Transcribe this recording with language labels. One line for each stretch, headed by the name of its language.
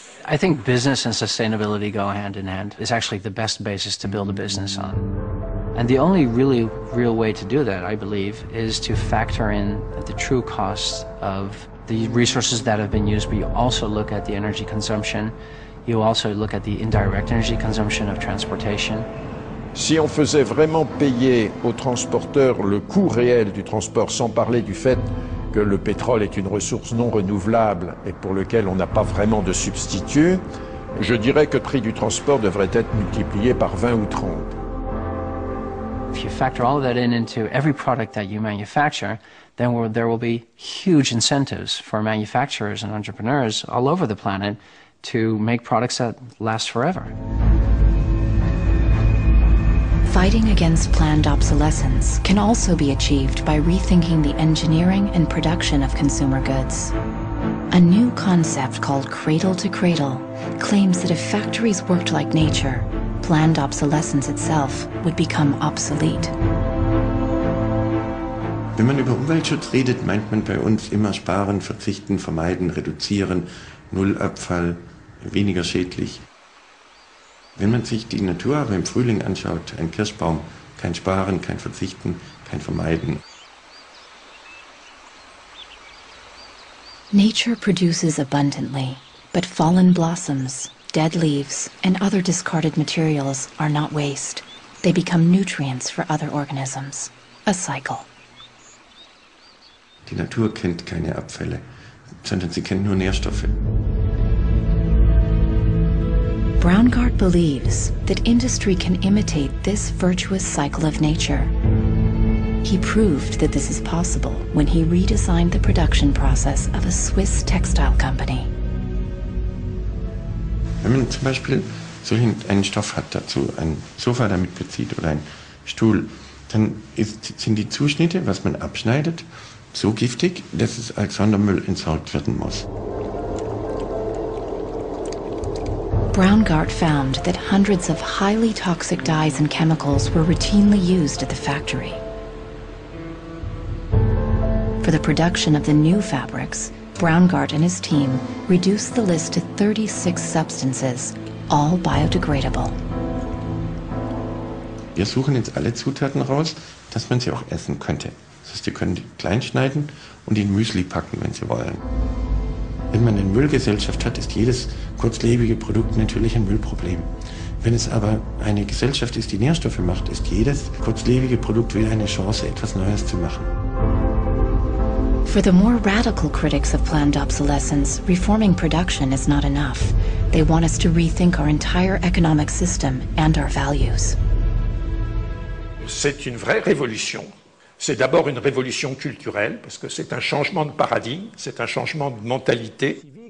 English: I think business and sustainability go hand in hand. It's actually the best basis to build a business on. And the only really real way to do that, I believe, is to factor in the true cost of the resources that have been used, but you also look at the energy consumption. You also look at the indirect energy consumption of transportation.
French: Si on faisait vraiment payer aux transporteurs le coût réel du transport, sans parler du fait que le pétrole est une ressource non renouvelable et pour lequel on n'a pas vraiment de substitut, je dirais que le prix du transport devrait être multiplié par 20 ou 30.
English: If you factor all of that in into every product that you manufacture, then there will be huge incentives for manufacturers and entrepreneurs all over the planet to make products that last forever. Fighting against planned obsolescence can also be achieved by rethinking the engineering and production of consumer goods. A new concept called cradle to cradle claims that if factories worked like nature, planned obsolescence itself would become obsolete.
German: Wenn man über Umweltschutz redet, meint man bei uns immer sparen, verzichten, vermeiden, reduzieren, null Abfall, weniger schädlich. Wenn man sich die Natur aber im Frühling anschaut, ein Kirschbaum, kein Sparen, kein Verzichten, kein Vermeiden.
English: Nature produces abundantly, but fallen blossoms, dead leaves, and other discarded materials are not waste. They become nutrients for other organisms. A cycle.
German: Die Natur kennt keine Abfälle, sondern sie kennt nur Nährstoffe.
English: Braungart believes that industry can imitate this virtuous cycle of nature. He proved that this is possible when he redesigned the production process of a Swiss textile company.
German: Wenn man zum Beispiel so einen Stoff hat dazu, ein Sofa damit bezieht oder ein Stuhl, dann sind die Zuschnitte, was man abschneidet, so giftig, dass es als Sondermüll entsorgt werden muss.
English: Braungart found that hundreds of highly toxic dyes and chemicals were routinely used at the factory. For the production of the new fabrics, Braungart and his team reduced the list to 36 substances, all biodegradable.
German: Wir suchen jetzt alle Zutaten raus, dass man sie auch essen könnte. Das heißt, sie können die klein schneiden und in Müsli packen, wenn sie wollen. Wenn man eine Müllgesellschaft hat, ist jedes kurzlebige Produkt natürlich ein Müllproblem. Wenn es aber eine Gesellschaft ist, die Nährstoffe macht, ist jedes kurzlebige Produkt wieder eine Chance, etwas Neues zu machen.
English: For the more radical critics of planned obsolescence, reforming production is not enough. They want us to rethink our entire economic system and our values.
French: C'est une vraie révolution. C'est d'abord une révolution culturelle, parce que c'est un changement de paradigme, c'est un changement de mentalité.